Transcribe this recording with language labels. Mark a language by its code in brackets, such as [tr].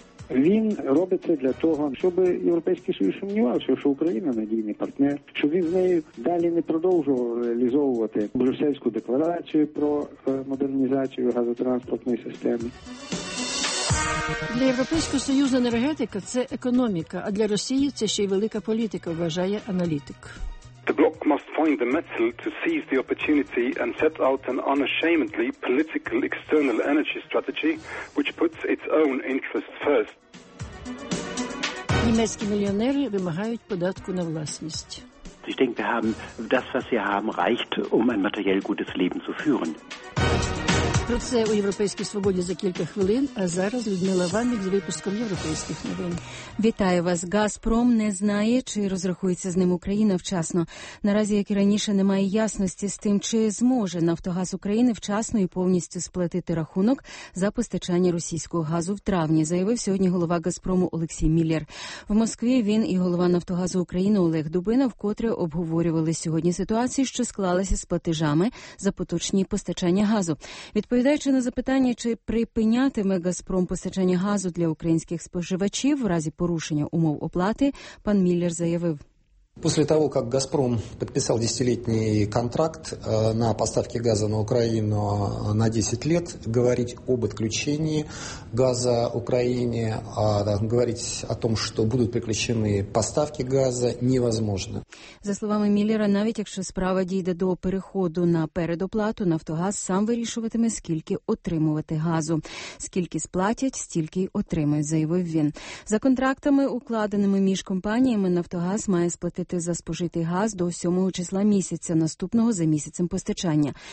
[uk] Він робить це для того, щоб Європейський Союз сумнівався, що Україна надійний партнер, щоб він з нею далі не продовжував реалізовувати Брюссельську декларацію про модернізацію газотранспортної системи. Для Європейського Союзу енергетика – це економіка, а для Росії – це ще й велика політика, вважає аналітик. [en] The bloc must find the metal to seize the opportunity and set out an unashamedly political external energy strategy which puts its own interests first. [uk] Німецькі мільйонери вимагають податку на власність. [de] Ich denke, wir haben das, was wir haben, reicht, um ein materiell gutes Leben zu führen. [uk] Про це у Європейській свободі за кілька хвилин, а зараз Людмила Ванник з випуском європейських новин. Вітаю вас. «Газпром» не знає, чи розрахується з ним Україна вчасно. Наразі, як і раніше, немає ясності з тим, чи зможе «Нафтогаз України» вчасно і повністю сплатити рахунок за постачання російського газу в травні, заявив сьогодні голова «Газпрому» Олексій Міллер. В Москві він і голова «Нафтогазу України» Олег Дубина вкотре обговорювали сьогодні ситуацію, що склалася з платежами за поточні постачання газу. Відповідаючи на запитання, чи припинятиме «Газпром» постачання газу для українських споживачів в разі порушення умов оплати, пан Міллер заявив. [ru] После того, как «Газпром» подписал 10-летний контракт на поставки газа на Украину на 10 лет, говорить об отключении газа Украине, говорить о том, что будут прекращены поставки газа, невозможно. [uk] За словами Міллера, навіть якщо справа дійде до переходу на передоплату, «Нафтогаз» сам вирішуватиме, скільки отримувати газу. Скільки сплатять, стільки й отримають, заявив він. За контрактами, укладеними між компаніями, «Нафтогаз» має сплатити за спожитий газ до 7 числа місяця, наступного за місяцем постачання.